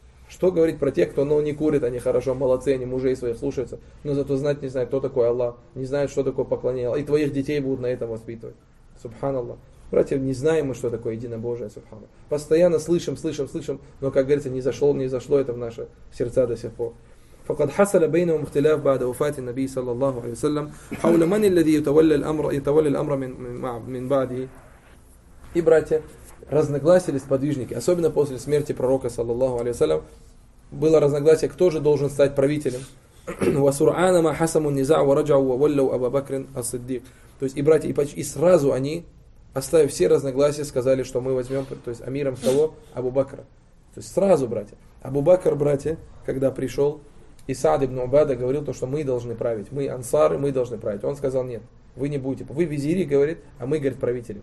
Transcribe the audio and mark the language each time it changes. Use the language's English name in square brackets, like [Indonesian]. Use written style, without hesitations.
[Russian] Что говорить про тех, кто, ну, не курит, они хорошо, молодцы, они мужей своих слушаются, но зато знать не знают, кто такой Аллах, не знают, что такое поклонение Аллах, и твоих детей будут на этом воспитывать. Субханаллах. Братья, не знаем мы, что такое единобожие, субханаллах. Постоянно слышим, но, как говорится, не зашло это в наши сердца до сих пор. [Arabic] فقد حصل بينهم اختلاف بعد وفاة النبي صلى الله عليه وسلم حول من الذي يتولى الأمر من بعده. [Russian] И братья разногласились сподвижники, особенно после смерти пророка [Arabic] صلى الله عليه وسلم, [Russian] было разногласие, кто же должен стать правителем. [Arabic] وسرعان ما حسموا النزاع ورجعوا وولوا أبا بكر الصديق. [Russian] То есть и братья и сразу они, оставив все разногласия, сказали, что мы возьмем, то есть амиром кого? Абу Бакра. То есть сразу, братья, Абу Бакр, братья, когда пришел, и Саад ибн Убада говорил то, что мы должны править. Мы ансары, мы должны править. Он сказал, нет, вы не будете. Вы визири, говорит, а мы, говорит, правители.